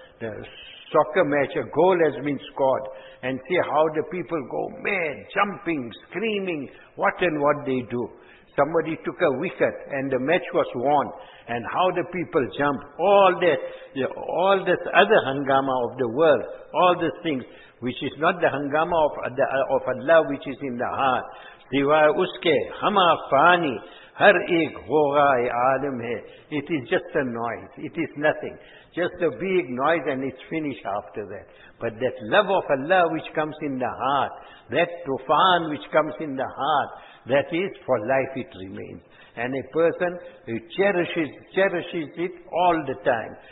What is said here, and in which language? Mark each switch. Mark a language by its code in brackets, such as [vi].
[en] The soccer match, a goal has been scored. And see how the people go mad, jumping, screaming, what and what they do. Somebody took a wicket and the match was won. And how the people jump, all that, you know, all this other hangama of the world, all these things, which is not the hangama of Allah, which is in the heart. [ur] سوائے اس کے ہما فانی ہر ایک غوغا عالم ہے. [en] It is just a noise. It is nothing. Just a big noise and it's finished after that. But that love of Allah which comes in the heart, that tufan which comes in the heart, that is for life it remains. And a person who cherishes it all the time.